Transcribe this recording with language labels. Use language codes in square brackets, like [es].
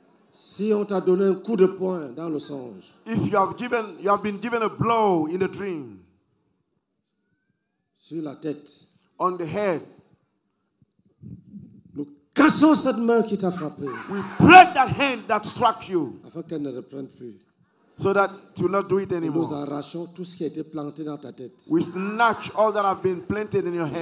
[fr] Si on t'a donné un coup de poing dans le songe. [en] If you have given, you have been given a blow in a dream. [fr] Sur la tête. [en] On the head. [fr] Nous cassons cette main qui t'a frappé. [en] We break that hand that struck you. [fr] Afin qu'elle ne reprenne plus. [en] So that you will not do it anymore. [fr] Nous arrachons tout ce qui a été planté dans ta tête. [en] We snatch all that have been planted in your head.